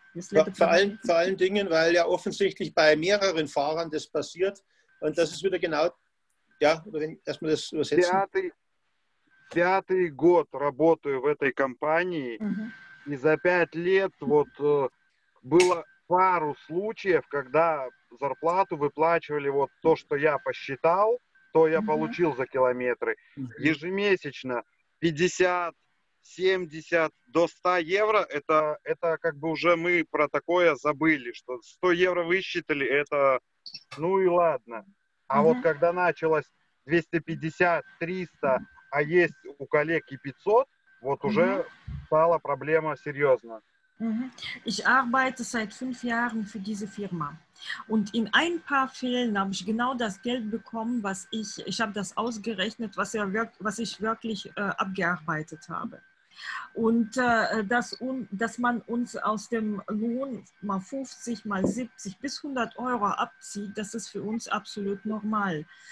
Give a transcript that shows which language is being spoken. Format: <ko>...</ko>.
<de>Vor allen Dingen, weil ja offensichtlich bei mehreren Fahrern das passiert und das ist wieder genau, ja, erstmal das übersetzen.</de> <ru>Пятый год работаю в этой компании и за пять лет вот было пару случаев, когда зарплату выплачивали вот то, что я посчитал, то я получил за километры ежемесячно 50, 70 до 100 евро. Это как бы уже мы про такое забыли, что 100 евро высчитали, это ну и ладно. А вот когда началось 250, 300, а есть у коллег и 500, вот уже стала проблема серьезно.</ru> <de>Ich arbeite seit 5 Jahren für diese Firma und in ein paar Fällen habe ich genau das Geld bekommen, was ich habe das ausgerechnet, was ich wirklich abgearbeitet habe. Und dass man uns aus dem Lohn mal 50, mal 70 bis 100 Euro abzieht, das ist für uns absolut normal.</de>